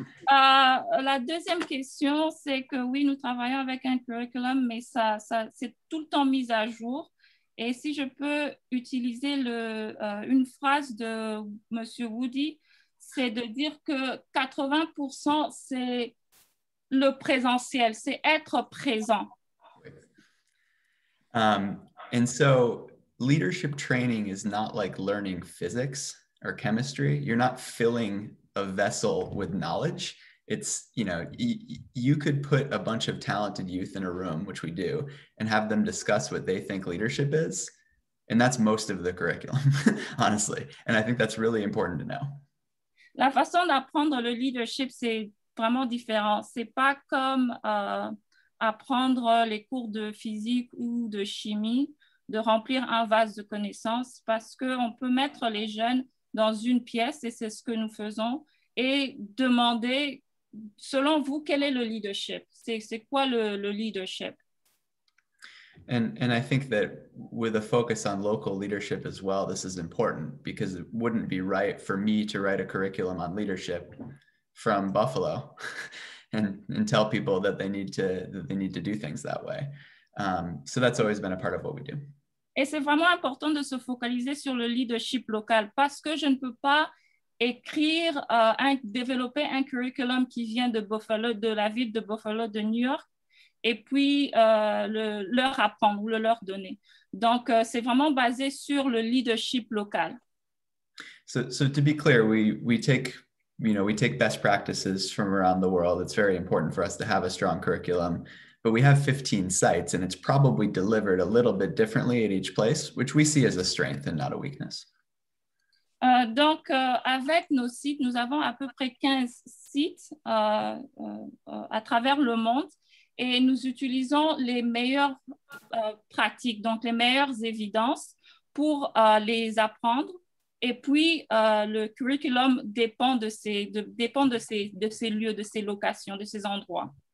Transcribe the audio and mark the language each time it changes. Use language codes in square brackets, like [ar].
[fr] La deuxième question, c'est que oui, nous travaillons avec un curriculum, mais ça c'est tout le temps mis à jour. Et si je peux utiliser une phrase de Monsieur Woody, c'est de dire que 80% c'est le présentiel, c'est être présent. [en] And so leadership training is not like learning physics or chemistry. You're not filling a vessel with knowledge. It's, you know, you could put a bunch of talented youth in a room, which we do, and have them discuss what they think leadership is. And that's most of the curriculum, honestly. And I think that's really important to know. [fr] La façon d'apprendre le leadership, c'est vraiment différent. C'est pas comme apprendre les cours de physique ou de chimie, de remplir un vase de connaissances, parce qu'on peut mettre les jeunes dans une pièce, et c'est ce que nous faisons, et demander, selon vous, quel est le leadership? C'est quoi le leadership? [en] And I think that with a focus on local leadership as well, this is important, because it wouldn't be right for me to write a curriculum on leadership from Buffalo. And tell people that they need to do things that way. So that's always been a part of what we do. [fr] Et c'est vraiment important de se focaliser sur le leadership local, parce que je ne peux pas écrire développer un curriculum qui vient de Buffalo, de la ville de Buffalo, de New York, et puis leur apprendre ou le leur donner. Donc c'est vraiment basé sur le leadership local. [en] So to be clear, we take best practices from around the world. It's very important for us to have a strong curriculum, but we have 15 sites and it's probably delivered a little bit differently at each place, which we see as a strength and not a weakness. [fr] Donc, avec nos sites, nous avons à peu près 15 sites à travers le monde et nous utilisons les meilleures pratiques, donc les meilleures évidences pour les apprendre. Et puis, le curriculum dépend de ces lieux, de ces locations, de ces endroits.